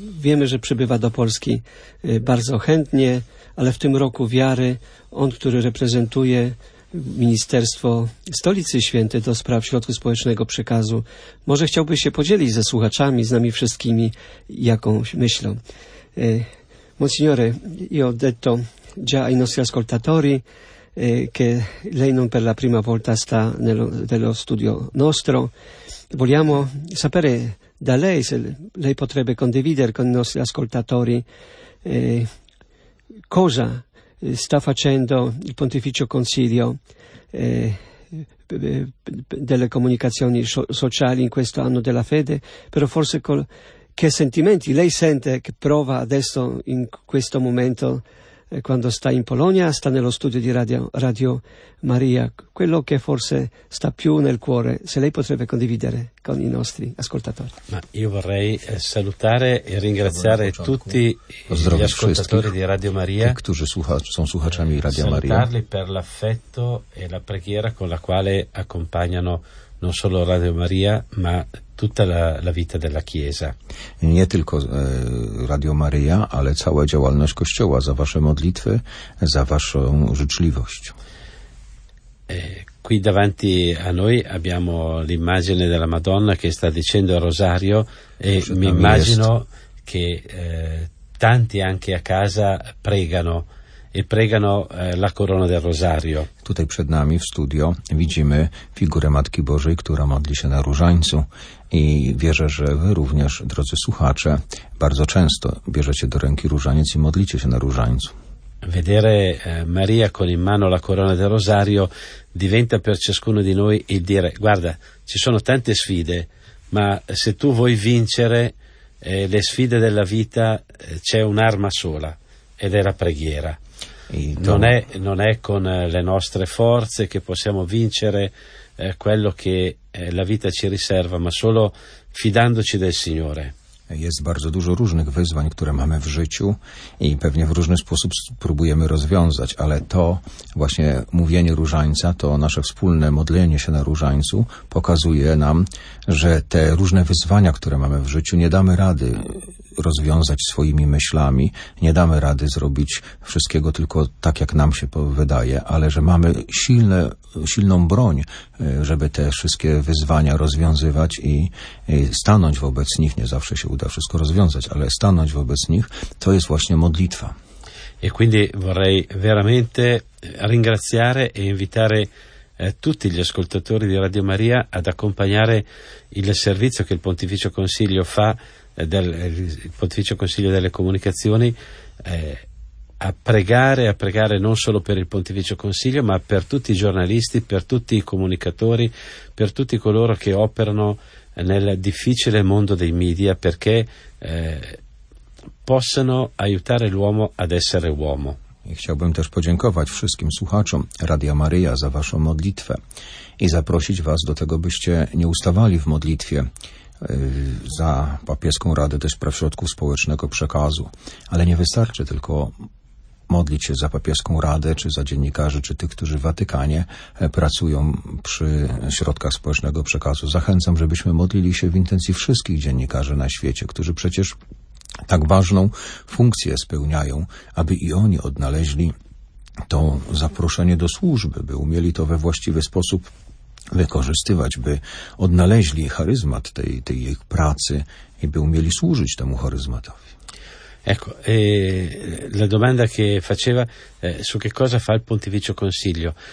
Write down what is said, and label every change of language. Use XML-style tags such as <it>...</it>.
<pl>Wiemy, że przybywa do Polski bardzo chętnie, ale w tym roku wiary, on, który reprezentuje Ministerstwo Stolicy Świętej do Spraw Środków Społecznego Przekazu, może chciałby się podzielić ze słuchaczami, z nami wszystkimi, jakąś myślą.</pl> <it>Monsignore, io detto già ai nostri ascoltatori, che lei non per la prima volta sta nello studio nostro. Vogliamo sapere da lei se lei potrebbe condividere con i nostri ascoltatori cosa sta facendo il Pontificio Consiglio delle comunicazioni sociali in questo anno della fede, però forse che sentimenti lei sente, che prova adesso in questo momento quando sta in Polonia, sta nello studio di Radio Maria, quello che forse sta più nel cuore, se lei potrebbe condividere con i nostri ascoltatori. Ma io vorrei salutare e ringraziare tutti gli ascoltatori di Radio Maria, salutarli per l'affetto e la preghiera con la quale accompagnano non solo Radio Maria, ma tutta la vita della Chiesa.</it> <pl>Nie tylko Radio Maria, ale cała działalność Kościoła, za wasze modlitwy, za waszą życzliwość.</pl> <it>Qui davanti a noi abbiamo l'immagine della Madonna che sta dicendo il rosario e mi immagino che tanti anche a casa pregano. E pregano la corona del rosario.</it> <pl>Tutaj przed nami w studio widzimy figurę Matki Bożej, która modli się na różańcu. I wierzę, że wy również, drodzy słuchacze, bardzo często bierzecie do ręki różaniec i modlicie się na różańcu.</pl> <it>Vedere Maria con in mano la corona del rosario diventa per ciascuno di noi il dire: guarda, ci sono tante sfide, ma se tu vuoi vincere le sfide della vita, c'è un'arma sola ed è la preghiera. Non è con le nostre forze che possiamo vincere quello che la vita ci riserva, ma solo fidandoci del Signore.</it> <pl>Jest bardzo dużo różnych wyzwań, które mamy w życiu i pewnie w różny sposób próbujemy rozwiązać, ale to właśnie mówienie różańca, to nasze wspólne modlenie się na różańcu pokazuje nam, że te różne wyzwania, które mamy w życiu, nie damy rady rozwiązać swoimi myślami, nie damy rady zrobić wszystkiego tylko tak, jak nam się wydaje, ale że mamy silną broń, żeby te wszystkie wyzwania rozwiązywać i stanąć wobec nich, nie zawsze się uda wszystko rozwiązać, ale stanąć wobec nich, to jest właśnie modlitwa.</pl> <it>E quindi vorrei veramente ringraziare e invitare tutti gli ascoltatori di Radio Maria ad accompagnare il servizio che il Pontificio Consiglio fa, il Pontificio Consiglio delle Comunicazioni, a pregare non solo per il Pontificio Consiglio, ma per tutti i giornalisti, per tutti i comunicatori, per tutti coloro che operano nel difficile mondo dei media, perché possano aiutare l'uomo ad essere uomo.</it> <pl>I chciałbym też podziękować wszystkim słuchaczom Radia Maria za waszą modlitwę i zaprosić was do tego, byście nie ustawali w modlitwie za Papieską Radę do Spraw Środków Społecznego Przekazu. Ale nie wystarczy tylko modlić się za Papieską Radę, czy za dziennikarzy, czy tych, którzy w Watykanie pracują przy środkach społecznego przekazu. Zachęcam, żebyśmy modlili się w intencji wszystkich dziennikarzy na świecie, którzy przecież tak ważną funkcję spełniają, aby i oni odnaleźli to zaproszenie do służby, by umieli to we właściwy sposób wykorzystywać, by odnaleźli charyzmat tej ich pracy i by umieli służyć temu charyzmatowi.</pl> <it>Ecco, la domanda che faceva su che cosa fa il Pontificio Consiglio.</it>